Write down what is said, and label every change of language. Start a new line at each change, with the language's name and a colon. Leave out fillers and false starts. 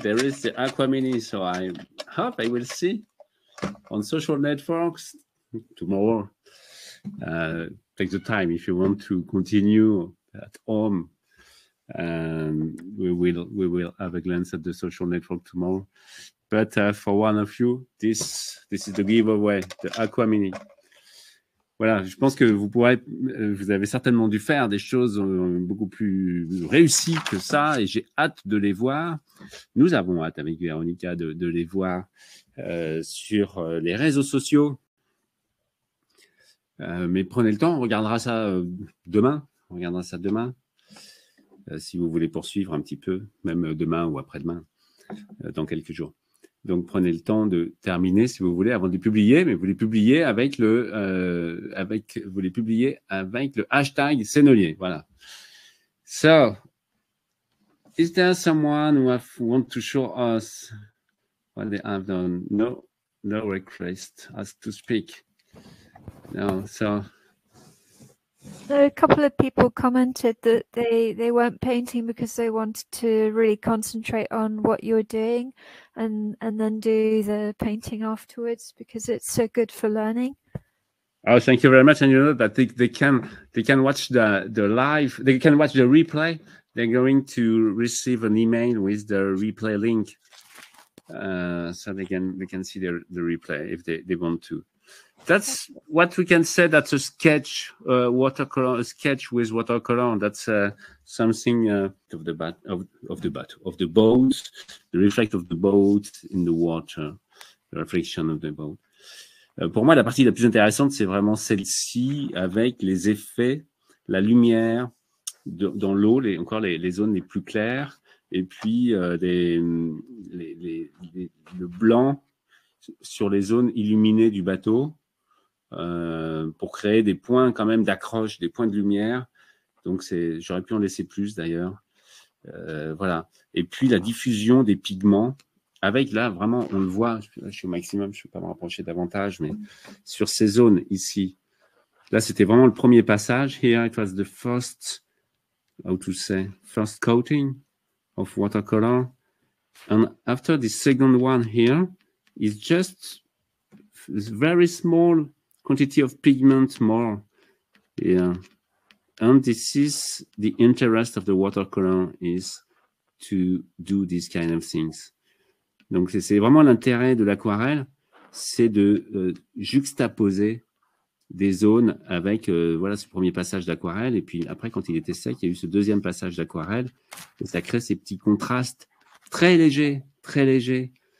English: There is the Aquamini, so I hope I will see on social networks tomorrow. Take the time if you want to continue at home. We will have a glance at the social network tomorrow. But for one of you, this is the giveaway, the Aquamini.
French: Voilà, je pense que vous avez certainement dû faire des choses beaucoup plus réussies que ça, et j'ai hâte de les voir. Nous avons hâte avec Véronica de les voir sur les réseaux sociaux. Mais prenez le temps, on regardera ça demain. On regardera ça demain. Si vous voulez poursuivre un petit peu, même demain ou après-demain, dans quelques jours. Donc prenez le temps de terminer, si vous voulez, avant de les publier. Mais vous les publiez avec le hashtag Sennelier. Voilà.
English: So, is there someone who want to show us what they have done? No request asked to speak. No, so a couple of people commented that they weren't painting because they wanted to really concentrate on what you're doing and then do the painting afterwards because it's so good for learning. Oh, thank you very much. And you know that they can watch the live, they can watch the replay. They're going to receive an email with the replay link. So they can see the replay if they want to. That's what we can say. That's a sketch, watercolor, a sketch with watercolor. That's something of the boat, the reflect of the boat in the water, the reflection of the boat.
French: Pour moi, la partie la plus intéressante, c'est vraiment celle-ci avec les effets, la lumière dans l'eau, les zones les plus claires, et puis le blanc sur les zones illuminées du bateau. Pour créer des points quand même d'accroche, des points de lumière. Donc j'aurais pu en laisser plus d'ailleurs. Voilà. Et puis la diffusion des pigments avec là vraiment on le voit. Là, je suis au maximum, je ne peux pas me rapprocher davantage, mais sur ces zones ici. Là c'était vraiment le premier passage.
English: Here it was the first, how to say, first coating of watercolor. And after the second one here, it's just very small quantity of pigment more. Yeah. And this is the interest of the watercolor is to do these kind of things.
French: Donc c'est vraiment l'intérêt de l'aquarelle, c'est de juxtaposer des zones avec voilà, ce premier passage d'aquarelle. Et puis après, quand il était sec, il y a eu ce deuxième passage d'aquarelle. Et ça crée ces petits contrastes très légers, très légers.